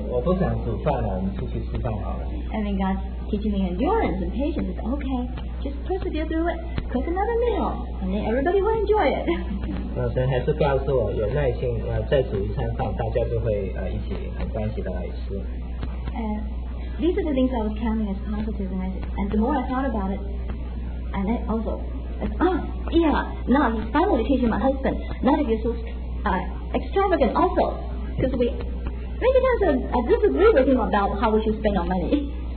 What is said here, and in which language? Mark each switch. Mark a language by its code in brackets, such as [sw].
[zh] 然后神也给我们有一些耐心，我不想煮饭了，我们出去吃饭好了。 [en] And then God's teaching me endurance and patience. Said, okay, just persevere through it. Cook another meal, and then everybody will enjoy it. [zh] 那神还是告诉我，有耐心，再煮一餐饭，大家就会一起很欢喜的来吃。 [en] And these are the things I was counting as positive, and the more I thought about it, and then also, now I'm finally teaching my husband not to be so extravagant also, because we many times I disagree with him about how we should spend our money.